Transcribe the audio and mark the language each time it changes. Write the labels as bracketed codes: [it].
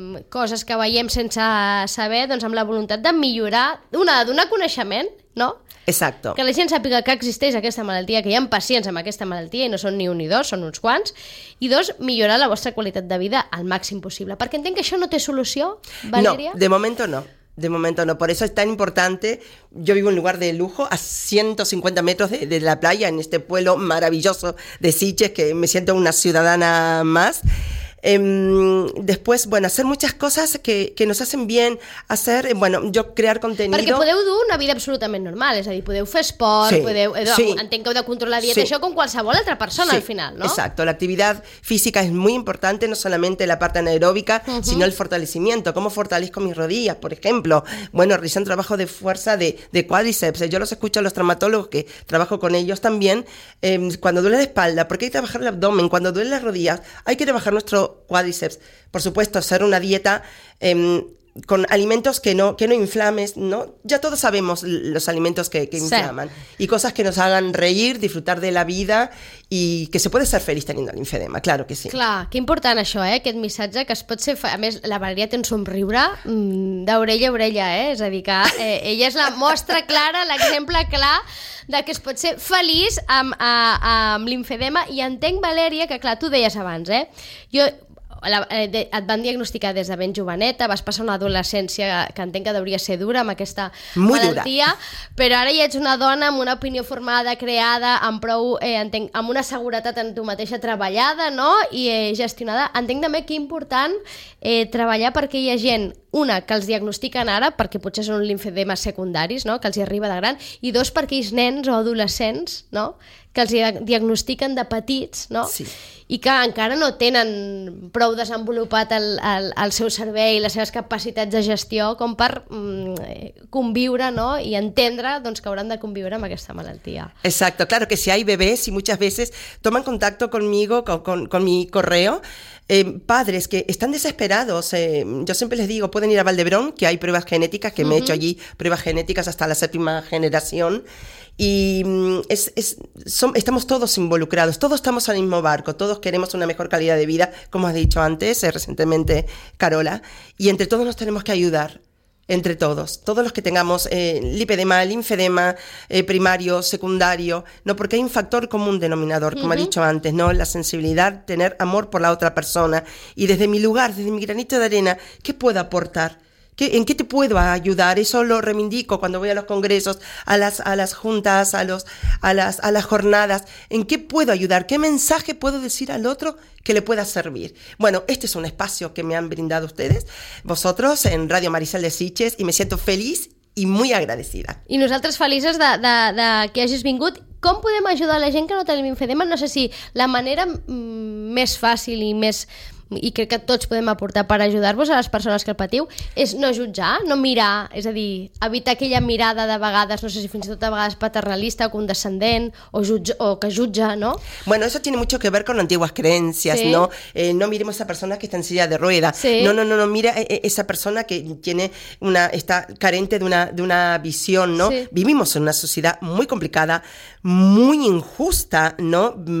[ca] Coses que veiem sense saber, doncs amb la voluntat de millorar, donar coneixement, no? [es] Exacto. [ca] Que la gent sàpiga que existeix aquesta malaltia, que hi ha pacients amb aquesta malaltia i no són ni un ni dos, són uns quants, i dos, millorar la vostra qualitat de vida al màxim possible. Perquè entenc que això no té solució, Valeria? No, de moment no. [es] De momento no, por eso es tan importante. Yo vivo en un lugar de lujo, a 150 metros de la playa, en este pueblo maravilloso de Sitges, que me siento una ciudadana más. Después, bueno, hacer muchas cosas que nos hacen bien, hacer, bueno, yo crear contenido. [ca] Perquè podeu dur una vida absolutament normal, és a dir, podeu fer esport, sí, podeu, sí. Entenc que heu de controlar dieta, sí. Això com qualsevol altra persona, sí, al final, no? [es] Exacto, la actividad física es muy importante, no solamente la parte anaeróbica, uh-huh, sino el fortalecimiento. ¿Cómo fortalezco mis rodillas, por ejemplo? Bueno, realizando trabajo de fuerza de cuádriceps. Yo los escucho a los traumatólogos que trabajo con ellos también. Cuando duele la espalda, porque hay que trabajar el abdomen, cuando duele las rodillas, hay que trabajar nuestro cuádriceps, por supuesto, hacer una dieta con alimentos que no inflames, ¿no? Ya todos sabemos los alimentos que inflaman, sí, y cosas que nos hagan reír, disfrutar de la vida, y que se puede ser feliz teniendo linfedema, claro que sí. [ca] Clar, que important això, aquest missatge, que es pot ser, a més, la Valeria té un somriure d'orella a orella, és a dir, que ella és la mostra clara, l'exemple clar de que es pot ser feliç amb linfedema, i entenc, Valeria, que clar, tu deies abans, jo et van diagnosticar des de ben joveneta, vas passar una adolescència que entenc que deuria ser dura amb aquesta malaltia, però ara ja ets una dona amb una opinió formada, creada, amb prou, entenc, amb una seguretat en tu mateixa treballada, no? I gestionada. Entenc també que és important treballar perquè hi ha gent, una, que els diagnostiquen ara, perquè potser són linfedemes secundaris, no?, que els hi arriba de gran, i dos, perquè ells nens o adolescents, no?, que els diagnostiquen de petits, no? Sí. I que encara no tenen prou desenvolupat el seu cervell, les seves capacitats de gestió, com per conviure, no?, i entendre, doncs, que hauran de conviure amb aquesta malaltia. [es] Exacto, claro que si hay bebés, y muchas veces toman contacto conmigo, con mi correo, padres que están desesperados. Yo siempre les digo, pueden ir a Valdebrón, que hay pruebas genéticas, que, uh-huh, me he hecho allí pruebas genéticas hasta la séptima generación. Y estamos todos involucrados, todos estamos en el mismo barco, todos queremos una mejor calidad de vida, como has dicho antes, recientemente, Carola, y entre todos nos tenemos que ayudar. entre todos. Todos los que tengamos lipedema, linfedema, primario, secundario, ¿no? Porque hay un factor común denominador, como he dicho antes, ¿no? La sensibilidad, tener amor por la otra persona. Y desde mi lugar, desde mi granito de arena, ¿qué puedo aportar? ¿En qué te puedo ayudar? Eso lo reivindico cuando voy a los congresos, a las juntas, a las jornadas. ¿En qué puedo ayudar? ¿Qué mensaje puedo decir al otro que le pueda servir? Bueno, este es un espacio que me han brindado ustedes, vosotros, en Radio Marisel de Sitges, y me siento feliz y muy agradecida. [ca] I nosaltres feliços de que hagis vingut. Com podem ajudar la gent que no té linfedema? No sé si la manera més fàcil i més... i crec que tots podem aportar per ajudar-vos a les persones que el patiu, és no jutjar, no mirar, és a dir, evitar aquella mirada de vegades, no sé si fins i tot a vegades paternalista o condescendent o que jutja, no? [es] Bueno, eso tiene mucho que ver con antiguas creencias, sí. ¿No? No miremos a personas que están en silla de ruedas, sí. No, mira esa persona que tiene una, está carente de una visión, ¿no? Sí. Vivimos en una sociedad muy complicada, muy injusta, ¿no?